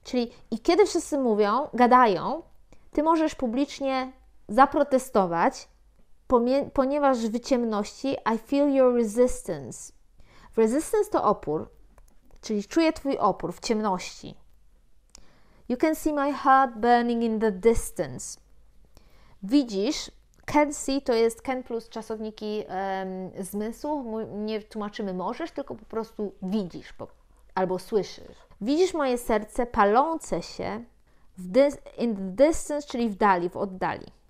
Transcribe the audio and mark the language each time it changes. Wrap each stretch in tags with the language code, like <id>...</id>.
<pl>Czyli i kiedy wszyscy mówią, gadają, ty możesz publicznie zaprotestować, ponieważ w ciemności</pl> <en>I feel your resistance.</en> <pl>Resistance to opór, czyli czuję twój opór w ciemności.</pl> <en>You can see my heart burning in the distance.</en> <pl>Widzisz,</pl> <en>can see</en> <pl>to jest can plus czasowniki zmysłu, nie tłumaczymy możesz, tylko po prostu widzisz albo słyszysz. Widzisz moje serce palące się</pl> <en>in the distance,</en> <pl>czyli w dali, w oddali.</pl>